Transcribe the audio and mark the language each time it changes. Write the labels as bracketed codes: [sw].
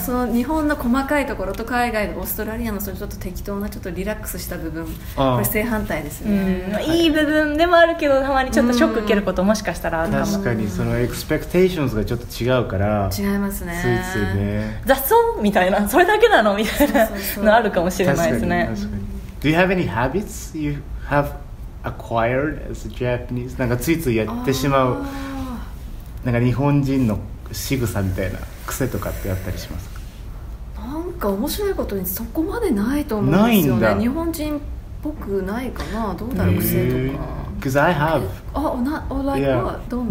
[ja] そう、日本の細かいところと海外のオーストラリアの、それちょっと適当な、ちょっとリラックスした部分、これ正反対ですね。いい部分でもあるけど、たまにちょっとショック受けることもしかしたらあるかも。確かにそのエクスペクテーションズがちょっと違うから。違いますね、ついついね、雑草みたいな、それだけなのみたいなのあるかもしれないですね。確かに。 [en] Do you have any habits you have acquired as a Japanese? [ja] なんかついついやってしまう、なんか日本人の仕草みたいな癖とかってあったりしますか？なんか面白いことにそこまでないと思うんですよね。ないんだ。日本人っぽくないかな。どうだろう、癖とか。 [en] Cause I have